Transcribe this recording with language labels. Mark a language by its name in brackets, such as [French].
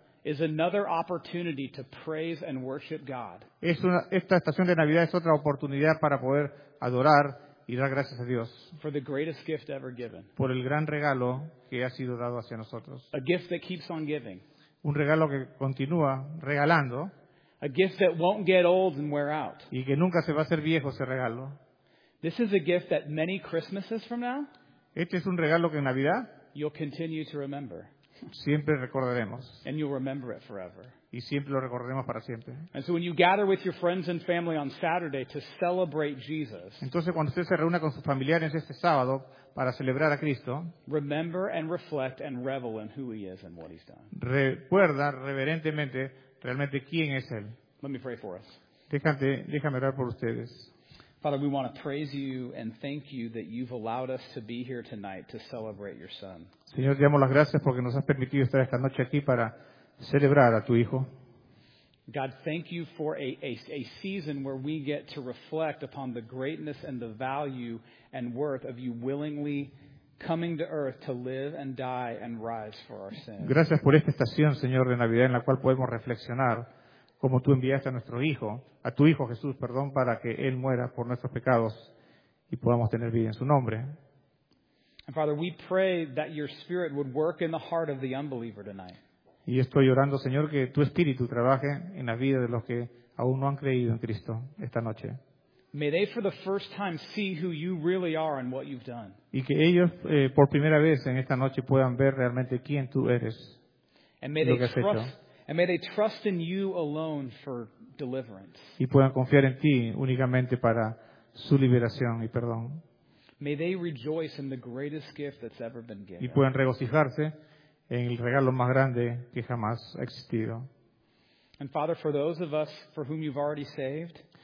[English] is another opportunity to praise and worship God. [Spanish] Esta estación de Navidad es otra oportunidad para poder adorar y dar gracias a Dios. [English] For the greatest gift ever given. [Spanish] Por el gran regalo que ha sido dado hacia nosotros. [English] A gift that keeps on giving. [Spanish] Un regalo que continúa regalando. [English] A gift that won't get old and wear out. [Spanish] Y que nunca se va a hacer viejo ese regalo. [English] This is a gift that many Christmases from now, [Spanish] este es un regalo que en Navidad, [English] you'll continue to remember. [Spanish] Siempre recordaremos. [English] And you'll remember it forever. [Spanish] Y siempre lo recordaremos para siempre. [English] And so when you gather with your friends and family on Saturday to celebrate Jesus, [Spanish] entonces cuando usted se reúne con sus familiares este sábado para celebrar a Cristo, [English] remember and reflect and revel in who He is and what He's done. [Spanish] Recuerda reverentemente realmente quién es Él. [English] Let me pray for us. [Spanish] Déjame orar por ustedes. [English] Father, we want to praise you and thank you that you've allowed us to be here tonight to celebrate your Son. [Spanish] Señor, te damos las gracias porque nos has permitido estar esta noche aquí para celebrar a tu Hijo. [English] God, thank you for a season where we get to reflect upon the greatness and the value and worth of you willingly coming to earth to live and die and rise for our sin. [Spanish] Gracias por esta estación, Señor, de Navidad en la cual podemos reflexionar como tú enviaste a nuestro Hijo, a tu Hijo Jesús, perdón, para que Él muera por nuestros pecados y podamos tener vida en su nombre. [English] And Father, we pray that your Spirit would work in the heart of the unbeliever tonight. [Spanish] Y estoy orando, Señor, que tu Espíritu trabaje en la vida de los que aún no han creído en Cristo esta noche. [English] May they for the first time see who you really are and what you've done. [Spanish] Y que ellos por primera vez en esta noche puedan ver realmente quién tú eres y lo que has hecho. [English] And may they trust in you alone for deliverance. [Spanish] Y puedan confiar en ti únicamente para su liberación y perdón. [English] May they rejoice in the greatest gift that's ever been given. [Spanish] Y puedan regocijarse en el regalo más grande que jamás ha existido. [English] And Father, for those of us for whom you've already saved.